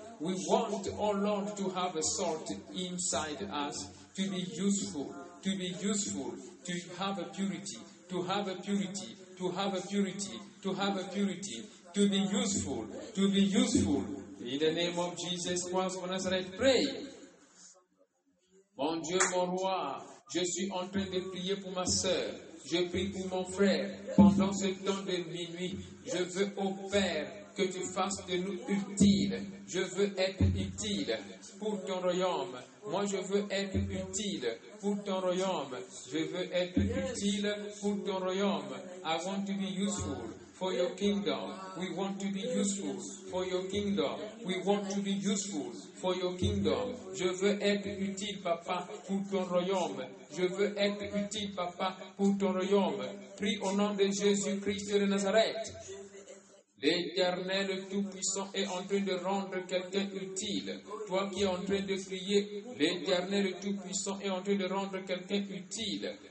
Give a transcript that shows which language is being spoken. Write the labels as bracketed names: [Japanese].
[English] We want, oh Lord, to have a salt inside us, to be useful, to be useful, to have a purity, to have a purity, to have a purity, to have a purity, to be useful, to be useful. In the name of Jesus Christ of Nazareth, pray. [French] Mon Dieu, mon roi, je suis en train de prier pour ma sœur. Je prie pour mon frère pendant ce temps de minuit. Je veux, ô Père, que tu fasses de nous utiles. Je veux être utile pour ton royaume. Moi, je veux être utile pour ton royaume. Je veux être utile pour ton royaume. [English] I want to be useful for your kingdom. We want to be useful for your kingdom. We want to be useful for your kingdom. [French] Je veux être utile, papa, pour ton royaume. Je veux être utile, papa, pour ton royaume. Prie au nom de Jésus-Christ de Nazareth. L'Éternel Tout-Puissant est en train de rendre quelqu'un utile. Toi qui es en train de prier, l'Éternel Tout-Puissant est en train de rendre quelqu'un utile.